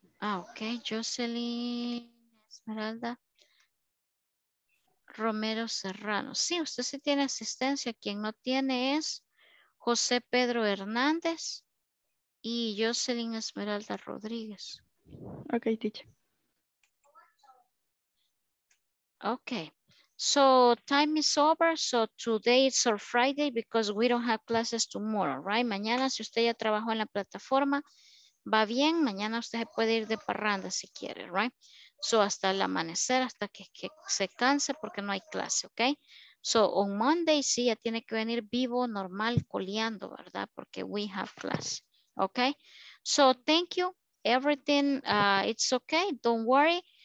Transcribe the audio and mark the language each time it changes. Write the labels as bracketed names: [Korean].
[Spanish] Ah, ok. Jocelyn Esmeralda Romero Serrano. Sí, usted sí tiene asistencia. Quien no tiene es José Pedro Hernández y Jocelyn Esmeralda Rodríguez. [English] Ok, teacher. Ok. So time is over, so today it's our Friday because we don't have classes tomorrow, right? [Spanish] Mañana, si usted ya trabajó en la plataforma, va bien, mañana usted se puede ir de parranda si quiere, right? So hasta el amanecer, hasta que se canse porque no hay clase, okay? [English] So on Monday, [Spanish] sí, ya tiene que venir vivo, normal, coleando, ¿verdad? Porque [English] we have class, okay? So thank you, everything, it's okay, don't worry.